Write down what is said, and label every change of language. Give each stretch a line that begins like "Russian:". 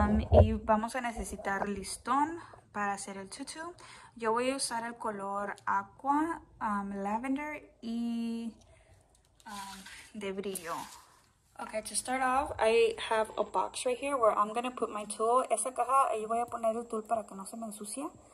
Spanish: Y vamos a necesitar listón para hacer el tutu. Yo voy a usar el color aqua, lavender y de brillo.
English: Okay, to start off, I have a box right here where I'm going to put my tool.
Spanish: Esa caja, ahí voy a poner el tool para que no se me ensucie.